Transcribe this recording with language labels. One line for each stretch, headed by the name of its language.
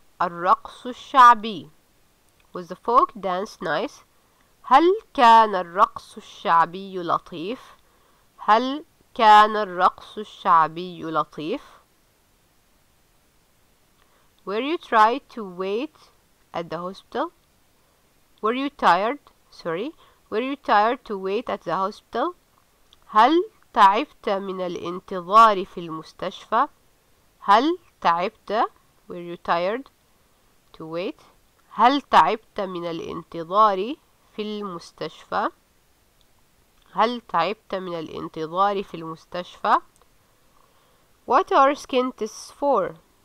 Arabic: الرقص الشعبي.
English: Was the folk dance nice?
Arabic: هل كان الرقص الشعبي لطيف؟ هل كان الرقص الشعبي لطيف؟
English: Were you tried to wait at the hospital? Were you tired? Sorry. Were you tired to wait at the hospital?
Arabic: هل تعبت من الانتظار في المستشفى؟ هل تعبت؟
English: Were you tired to wait?
Arabic: هل تعبت من الانتظار في المستشفى؟ هل تعبت من الانتظار في المستشفى؟
English: What are skin tests for?